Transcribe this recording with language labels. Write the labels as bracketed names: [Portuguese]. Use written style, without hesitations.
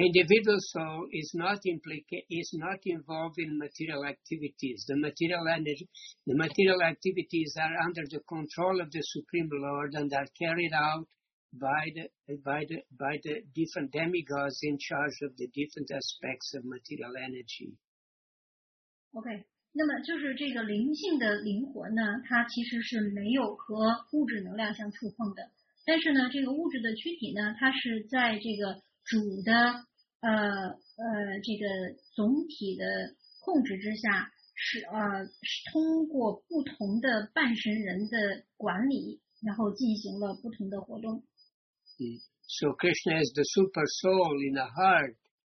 [English] individual soul is not involved in material activities. The material energy, the material activities are under the control of the Supreme Lord and are carried out by the different demigods in charge of the different aspects of material energy. Okay. [Chinese] 那么就是这个灵性的灵魂呢，它其实是没有和物质能量相触碰的。但是呢，这个物质的躯体呢，它是在这个主的这个总体的控制之下，是通过不同的半神人的管理，然后进行了不同的活动。 [English] So Krishna is the super soul in the heart.